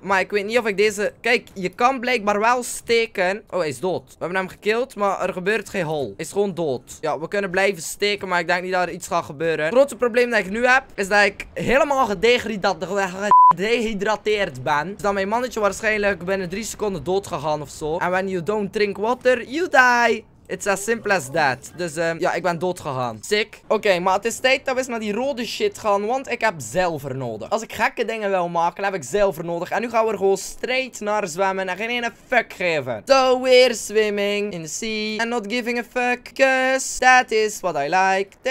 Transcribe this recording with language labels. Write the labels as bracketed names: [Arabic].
[Dutch] Maar ik weet niet of ik deze... Kijk, je kan blijkbaar wel steken. Oh, hij is dood. We hebben hem gekild, maar er gebeurt geen hol. Hij is gewoon dood. Ja, we kunnen blijven steken, maar ik denk niet dat er iets gaat gebeuren. Het grootste probleem dat ik nu heb, is dat ik helemaal gedehydrateerd ben. Dus dan mijn mannetje waarschijnlijk binnen 3 seconden dood gegaan of zo. [English] En when you don't drink water, you die. It's as simple as that. [Dutch] Dus ja, ik ben dood gegaan. Sick. Oké, maar het is tijd dat we eens naar die rode shit gaan. Want ik heb zilver nodig. Als ik gekke dingen wil maken, heb ik zilver nodig. En nu gaan we er gewoon straight naar zwemmen. En geen ene fuck geven. [English] So we're swimming in the sea. And not giving a fuck. Cause that is what I like.